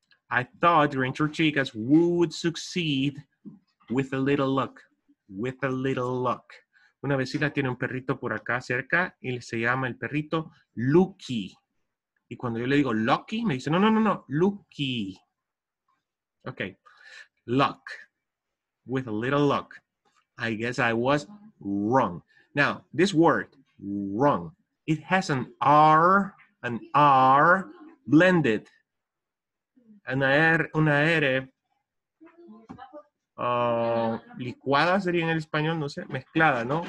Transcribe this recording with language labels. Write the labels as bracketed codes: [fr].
[en] I thought Rancho Chicas would succeed with a little luck. With a little luck. [es] Una vecina tiene un perrito por acá cerca y se llama el perrito Lucky. Y cuando yo le digo Lucky, me dice, no, Lucky. [en] Okay, luck, with a little luck. I guess I was wrong. Now, this word, wrong, it has an R blended. [es] Una R licuada sería en el español, no sé, mezclada, ¿no?